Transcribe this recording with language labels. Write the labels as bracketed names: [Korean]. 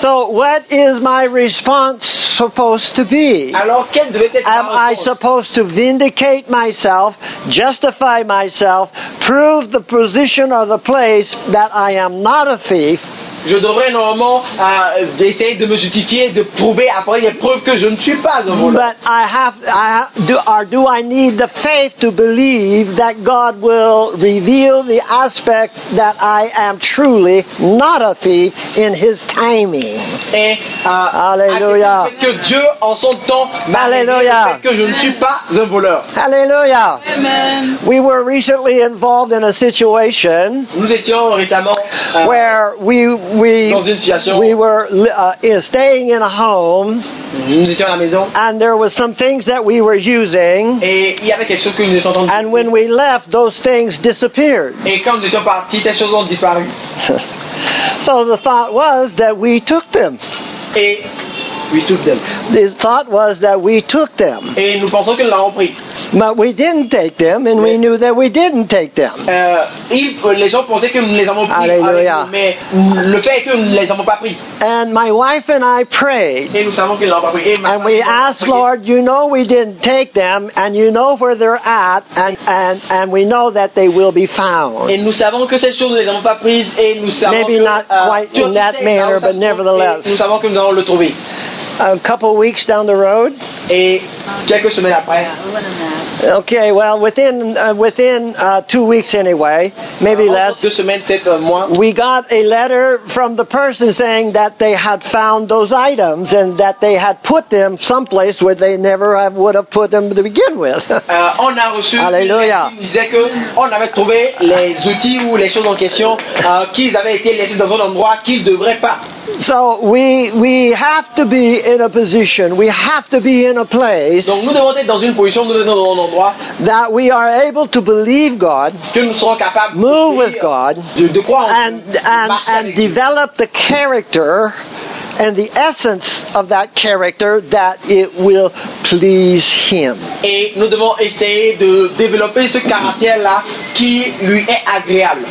[English] So what is my response supposed to be? [French] Alors quelle devait être ma réponse? [English] Am I supposed to vindicate myself, justify myself, prove the position or the place that I am not a thief? [French] Je devrais normalement essayer de me justifier, de prouver, apporter des preuves que je ne suis pas un voleur. [English] But do I need the faith to believe that God will reveal the aspect that I am truly not a thief in His timing? [French] Et alléluia. Que Dieu en son temps m'a révélé que je ne suis pas un voleur. Alléluia. Amen. [English] We were recently involved in a situation [French] nous étions récemment [English] where we were staying in a home. [French] Nous étions à la maison. [English] And there were some things that we were using. [French] Et il y avait quelque chose que nous étions en train de. [English] And when we left, those things disappeared. [French] Et quand nous étions partis, ces choses ont disparu. [English] So the thought was that we took them. Et we took them. The thought was that we took them. [French] Et nous pensons que nous l'avons pris. [English] But we didn't take them, and we knew that we didn't take them. [French] Les gens pensaient que nous les avons pris. Alléluia. Mais le fait est que nous ne les avons pas pris. [English] And my wife and I prayed. [French] Et nous savons qu'ils ne l'ont pas pris. [English] And we asked, Lord, you know we didn't take them, and you know where they're at, and we know that they will be found. [French] Et nous savons que ces choses, nous ne les avons pas prises, et nous savons [English] maybe [French] que, [English] not quite in that manner, but nevertheless. [French] Nous savons que nous allons le trouver. [English] A couple weeks down the road. [French] Et quelques semaines après. [English] Okay, well, within 2 weeks anyway, maybe less. [French] Deux semaines, peut-être un mois. [English] We got a letter from the person saying that they had found those items and that they had put them someplace where they never would have put them to begin with. [French] On a reçu. [English] Hallelujah. [French] Ils disaient que on avait trouvé les outils ou les choses en question qu'ils avaient été laissés dans un endroit qu'ils ne devraient pas. [English] So we have to be in a position, we have to be in a place. [French] Donc nous devons être dans une position, nous devons être dans un endroit. [English] That we are able to believe God, [French] que nous serons capables [English] move with God, [French] de croire [English] and develop [French] Dieu [English] the character and the essence of that character that it will please Him. [French] Et nous devons essayer de développer ce caractère là qui lui est agréable.